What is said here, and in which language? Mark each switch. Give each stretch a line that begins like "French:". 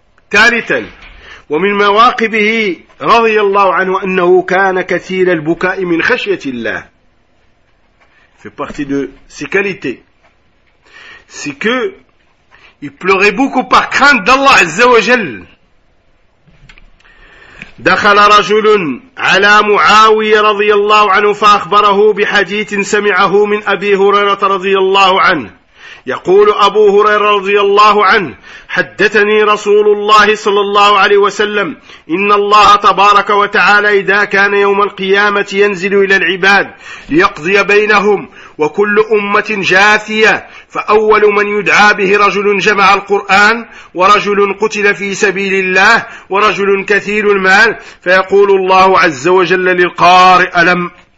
Arabic: Thalitan, ومن مواقبه رضي الله عنه أنه كان كثير البكاء من خشية الله.
French: Fait partie de ses qualités. C'est que il pleurait beaucoup par crainte d'Allah Azza wa Jal.
Arabic: دخل رجل على معاوية رضي الله عنه فأخبره بحديث سمعه من أبي هريرة رضي الله عنه. يقول أبو هريرة رضي الله عنه حدثني رسول الله صلى الله عليه وسلم إن الله تبارك وتعالى إذا كان يوم القيامة ينزل إلى العباد ليقضي بينهم وكل أمة جاثية فأول من يدعى به رجل جمع القرآن ورجل قتل في سبيل الله ورجل كثير المال فيقول الله عز وجل للقارئ ألم